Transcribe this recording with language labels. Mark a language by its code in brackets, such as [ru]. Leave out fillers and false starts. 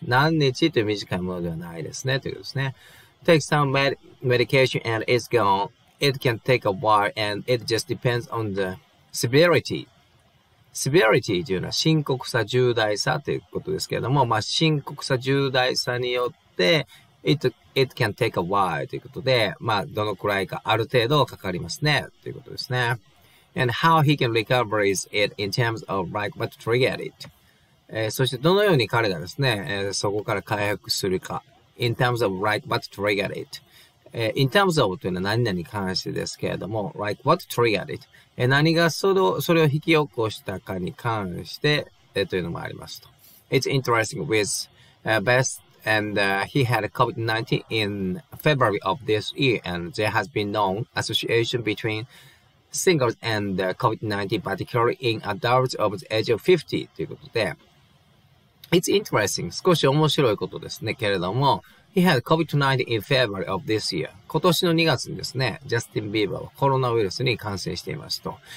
[ja] 何日という短いものではないですね。ということですね。 [en] Take some medication and it's gone. It can take a while and it just depends on the severity. [ja] Severity というのは深刻さ、重大さということですけれども、まあ深刻さ、重大さによって、 [en] it can take a while [ja] ということで、まあどのくらいかある程度かかりますねということですね。 [en] And how he can recover is it in terms of like what triggered it?、 [ja] そしてどのように彼がですね、そこから回復するか。 [en] In terms of like what triggered it?、in terms of [ja] というのは何々に関してですけれども、 [en] like what triggered it? [ja] 何がそれを引き起こしたかに関してというのもありますと。 [en] It's interesting with Best and he had COVID-19 in February of this year and there has been known association between singles and COVID-19 particularly in adults of the age of 50 [ja] ということで。 [en] It's interesting. [ja] 少し面白いことですねけれども。 [en] He had COVID-19 in February of this year. [ja] 今年の2月にですね、ジャスティン・ビーバーはコロナウイルスに感染していますと。